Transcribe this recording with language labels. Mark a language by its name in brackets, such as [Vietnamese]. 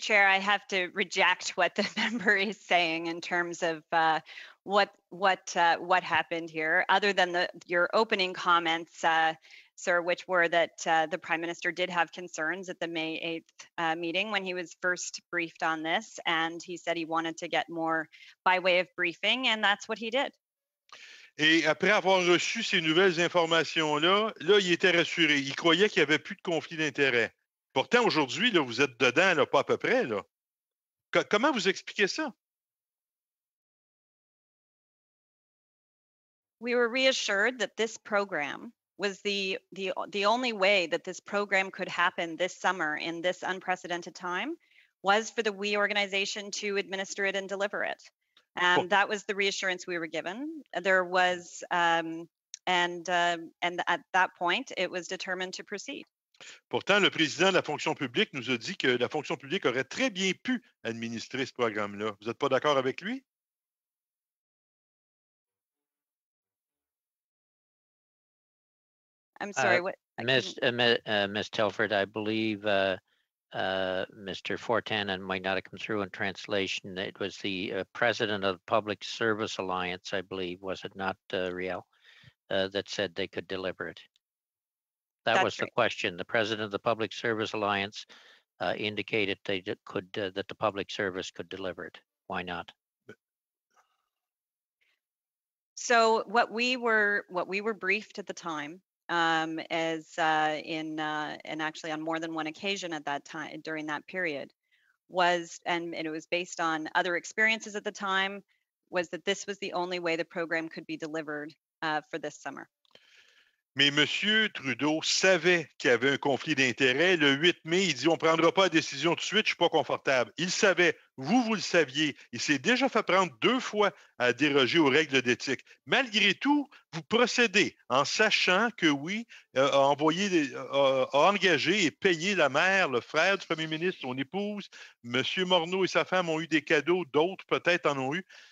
[English] Chair, I have to reject what the member is saying in terms of what happened here, other than your opening comments, sir, which were that the Prime Minister did have concerns at the May 8th meeting when he was first briefed on this, and he said he wanted to get more by way of briefing, and that's what he did. [French] Et après avoir reçu ces nouvelles informations-là, là, il était rassuré. Il croyait qu'il n'y avait plus de conflit d'intérêts. Pourtant, aujourd'hui, là, vous êtes dedans, là, pas à peu près. Là. Comment vous expliquez ça? [English] We were reassured that this program was the only way that this program could happen this summer in this unprecedented time was for the WE organization to administer it and deliver it. And that was the reassurance we were given. There was, and at that point, it was determined to proceed. [French] Pourtant, le président de la fonction publique nous a dit que la fonction publique aurait très bien pu administrer ce programme-là. Vous n'êtes pas d'accord avec lui? [English] I'm sorry, Ms. Telford, I believe Mr. Fortin and might not have come through in translation. It was the president of the Public Service Alliance, I believe, was it not, Riel, that said they could deliver it. That was right. The question. The president of the Public Service Alliance indicated they could that the public service could deliver it. Why not? So what we were briefed at the time. And actually on more than one occasion at that time, during that period, was, and it was based on other experiences at the time, was that this was the only way the program could be delivered for this summer. [French] Mais Monsieur Trudeau savait qu'il y avait un conflit d'intérêts. Le 8 mai, il dit, on ne prendra pas la décision tout de suite, je ne suis pas confortable. Il savait, vous le saviez. Il s'est déjà fait prendre deux fois à déroger aux règles d'éthique. Malgré tout, vous procédez en sachant que oui, a engagé et payé la mère, le frère du premier ministre, son épouse, Monsieur Morneau et sa femme ont eu des cadeaux, d'autres peut-être en ont eu.